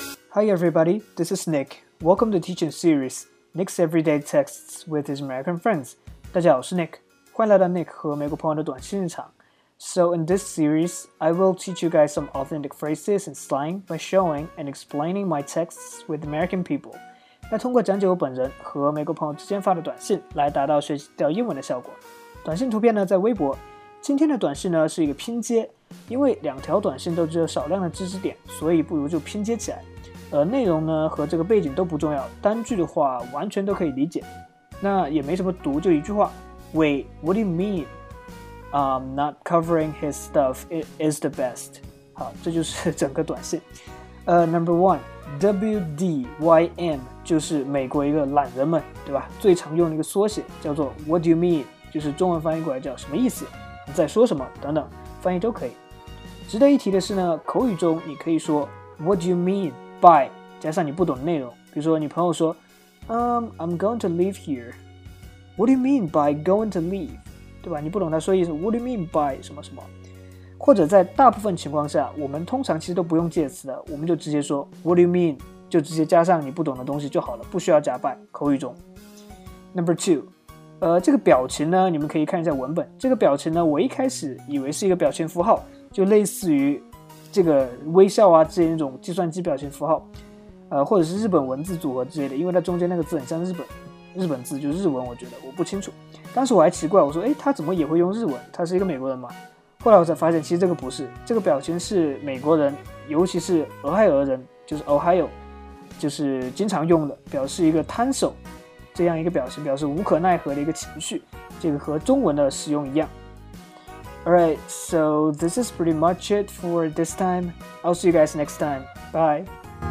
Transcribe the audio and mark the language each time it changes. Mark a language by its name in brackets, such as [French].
[English] Hi everybody, this is Nick. Welcome to Teaching Series, Nick's Everyday Texts with his American Friends. [Chinese] 大家好，我是 Nick， 欢迎来到 Nick 和美国朋友的短信日常。 [English] So in this series, I will teach you guys some authentic phrases and slang by showing and explaining my texts with American people. [Chinese] 那通过讲解我本人和美国朋友之间发的短信来达到学习掉英文的效果。短信图片呢在微博。今天的短信呢是一个拼接，因为两条短信都只有少量的知识点，所以不如就拼接起来。内容呢和这个背景都不重要，单句的话完全都可以理解。那也没什么读，就一句话。 [English] Wait, what do you mean? Not covering his stuff is the best. [Chinese] 好，这就是整个短信。 [English] Number one, [Chinese] WDYM 就是美国一个懒人们，对吧？最常用的一个缩写叫做 [English] What do you mean? [Chinese] 就是中文翻译过来叫什么意思？你在说什么？等等，翻译都可以。值得一提的是呢，口语中你可以说 [English] What do you mean? [Chinese] by 加上你不懂的内容，比如说你朋友说 [English] I'm going to leave here. What do you mean by going to leave? [Chinese] 对吧，你不懂他说意思， [English] What do you mean by [Chinese] 什么什么。或者在大部分情况下，我们通常其实都不用介词的，我们就直接说 What do you mean? 就直接加上你不懂的东西就好了，不需要加 by 口语中。 [English] Number two， [Chinese] 这个表情呢，你们可以看一下文本。这个表情呢，我一开始以为是一个表情符号，就类似于这个微笑啊这种计算机表情符号，或者是日本文字组合之类的，因为它中间那个字很像日本字，就是日文，我觉得我不清楚。当时我还奇怪，我说诶，他怎么也会用日文，他是一个美国人嘛。后来我才发现其实这个不是，这个表情是美国人，尤其是俄亥俄人，就是 Ohio， 就是经常用的，表示一个摊手这样一个表情，表示无可奈何的一个情绪，这个和中文的使用一样。 [English] Alright, so this is pretty much it for this time. I'll see you guys next time. Bye.